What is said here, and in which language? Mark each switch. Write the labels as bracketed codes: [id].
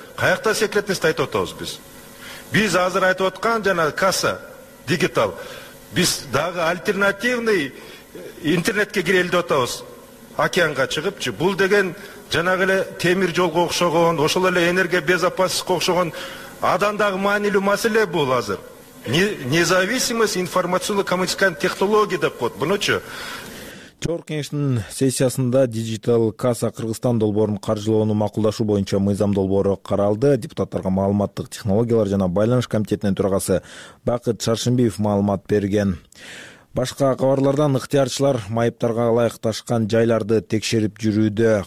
[ky] Каякта секретность айтып атабыз биз? Биз азыр айтып аткан жана касса дигитал, биз дагы альтернативный интернетке кирели деп атабыз. Океанга чыгыпчы, бул деген жанагы эле темир жолго окшогон, ошол эле энергия безопасностько окшогон адан дагы маанилүү маселе бул азыр. [ru] Независимость информационно-коммуникационных технологий [ky] деп коет. Бунучу. Жогорку кеңештин сессиясында Digital Kassa Кыргызстан долбоорун каржылоону макулдашуу боюнча мыйзам долбоору каралды. Депутаттарга маалыматтык технологиялар жана байланыш комитетинин төрагасы Бакыт Шаршынбиев маалымат берген. Башка кабарлардан: ыктыярчылар майыптарга ылайыкташкан жайларды текшерип жүрүүдө.